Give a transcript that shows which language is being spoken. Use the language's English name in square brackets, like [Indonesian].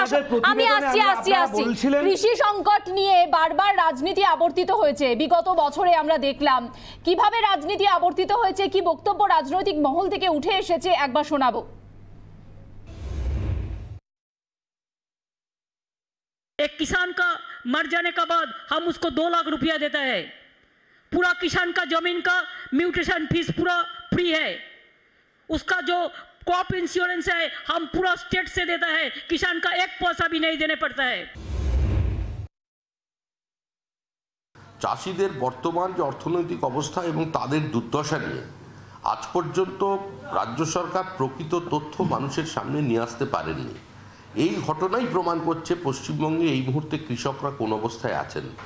[Bangla] কৃষি সংকট নিয়ে বারবার রাজনীতি আবর্তিত হয়েছে বিগত বছরে, আমরা দেখলাম কিভাবে রাজনীতি আবর্তিত হয়েছে, কি বক্তব্য রাজনৈতিক মহল থেকে উঠে এসেছে একবার শোনাবো। [Hindi] एक किसान का मर जाने का बाद हम उसको 2 लाख रुपया देता है, पूरा किसान का जमीन का म्यूटेशन फीस पूरा फ्री है, उसका जो क्रॉप इंश्योरेंस है हम पूरा स्टेट से देता है, किसान का 1 पैसा भी नहीं देने पड़ता है। [Bangla] চাষিদের বর্তমান যে অর্থনৈতিক অবস্থা এবং তাদের দুর্দশা নিয়ে আজ পর্যন্ত রাজ্য সরকার প্রকৃত তথ্য মানুষের সামনে নিয়ে আসতে পারেনি, এই ঘটনাই প্রমাণ করছে পশ্চিমবঙ্গে এই মুহূর্তে কৃষকরা কোন অবস্থায় আছেন।